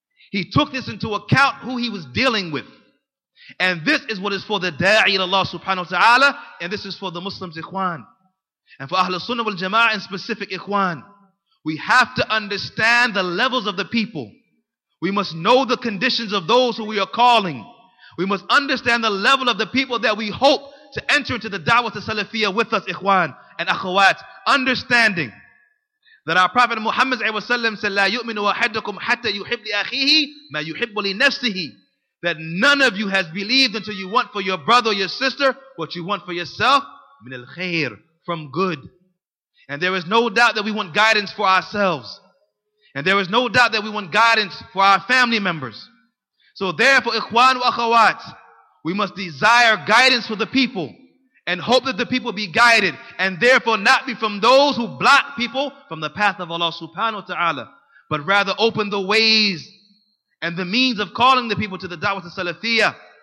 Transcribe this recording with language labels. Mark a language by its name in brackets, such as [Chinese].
[English] He took this into account, who he was dealing with. And this is what is for the da'i to Allah subhanahu wa ta'ala, and this is for the Muslims, Ikhwan, and for Ahl Sunnah wal Jama'ah in specific, Ikhwan. We have to understand the levels of the people. We must know the conditions of those who we are calling. We must understand the level of the people that we hope to enter into the Dawah to Salafia with us, Ikhwan and Akhawat. Understanding that our Prophet Muhammad ﷺ said, [Arabic] لا يؤمن أحدكم حتى يحب لأخيه ما يحب لنفسه. [English] That none of you has believed until you want for your brother or your sister what you want for yourself, [Arabic] من الخير, [English] from good. And there is no doubt that we want guidance for ourselves. And there is no doubt that we want guidance for our family members. So therefore, Ikhwan wa Akhawat, we must desire guidance for the people and hope that the people be guided, and therefore not be from those who block people from the path of Allah subhanahu wa ta'ala, but rather open the ways and the means of calling the people to the da'wah to salafiyah.